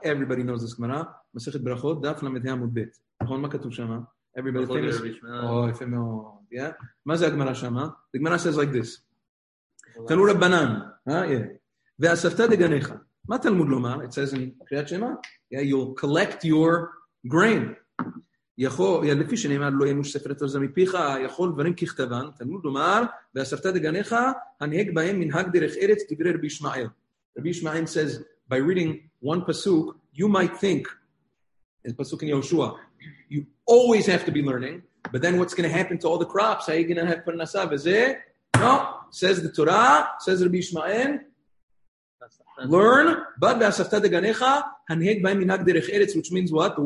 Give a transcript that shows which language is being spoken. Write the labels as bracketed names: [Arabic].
[English] Everybody knows this Gemara. Masechet Berachot, Daf Lamed Ha Amud Bet. [Hebrew] נכון, מה כתוב שם? [English] Everybody famous. Oh, [Hebrew] יפה מאוד. מה זה הגמרא שם? [English] The Gemara says like this. [Hebrew] תנו רבנן. ואספת דגניך. מה תלמוד לומר? [English] It says in קריאת שמע. You'll collect your grain. [Hebrew] לפי שנאמר, לא ינוש ספר תורה מפיך, יכול דברים ככתבן. תלמוד לומר, ואספת דגניך, הנהג בהם מנהג דרך ארץ, דברי רבי ישמעאל. [English] רבי ישמעאל says, by reading one pasuk, you might think, in pasuk in Yehoshua, you always have to be learning, but then what's going to happen to all the crops? How are you going to have parnasa? No, says the Torah, says Rabbi Ishmael, learn, but [Hebrew] v'asafta deganecha, hanheg b'ayim minag derech eretz, [English] which means what?